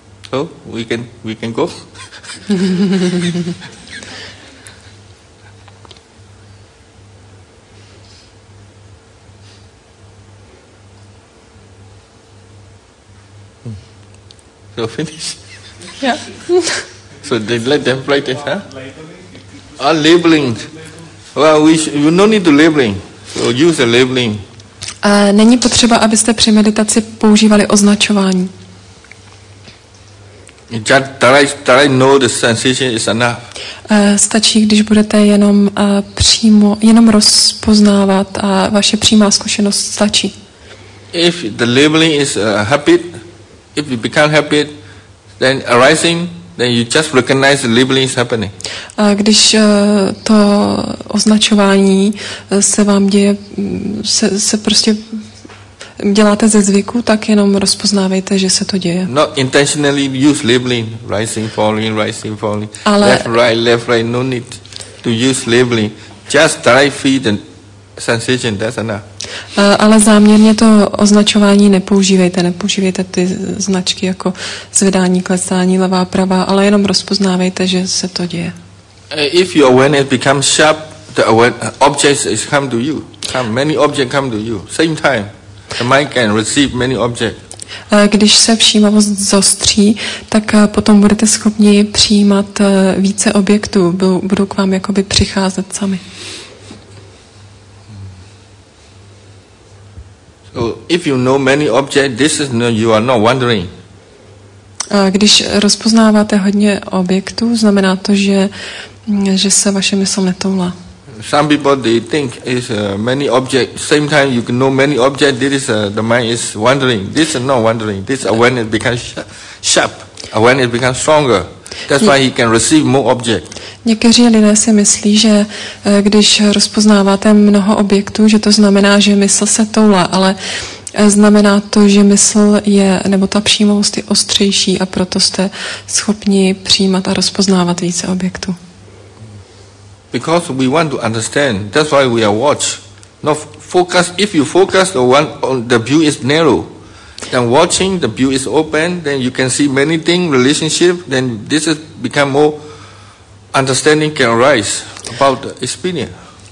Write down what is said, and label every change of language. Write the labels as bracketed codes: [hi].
[en] So we can go. So finish. Yeah. So they let them play this, huh? Labeling. Well, you no need to labeling. So use the labeling. [cs] Není potřeba, abyste při meditaci používali označování. [en] Just try know the sensation is enough. [cs] Stačí, když budete jenom rozpoznávat a vaše přímá zkušenost stačí. [en] If the labeling is a habit, if you become habit, then arising, then you just recognize the labeling is happening. [cs] A když to označování se vám děje, se prostě děláte ze zvyku, tak jenom rozpoznávejte, že se to děje. [en] Not intentionally use labeling, rising, falling, left, right, no need to use labeling. Just try feel the sensation, that's enough. [cs] Ale záměrně to označování nepoužívejte ty značky jako zvedání, klesání, levá, pravá, ale jenom rozpoznávejte, že se to děje. [en] If your awareness becomes sharp, the objects come to you. Many objects come to you. Same time, the mind can receive many objects. [cs] Když se všímavost zostří, tak potom budete schopni přijímat více objektů, budou k vám jakoby přicházet sami. [en] If you know many objects, this is no, you are not wandering. [cs] Když rozpoznáváte hodně objektů, znamená to, že se vaše mysl netoulá. [en] Some people they think is many objects. Same time you can know many objects. This is the mind is wandering. This is not wandering. This awareness becomes sharp. Awareness becomes stronger. That's why he can receive more objects. [cs] Někteří lidé si myslí, že když rozpoznáváte mnoho objektů, že to znamená, že mysl se toulá, ale znamená to, že mysl je, nebo ta přímost je ostřejší a proto jste schopni přijímat a rozpoznávat více objektů. [en] Because we want to understand, that's why we are watch. No, focus, if you focus on one, on the view is narrow. Then watching, the view is open, then you can see many things, relationship, then this has become more understanding can arise about the experience.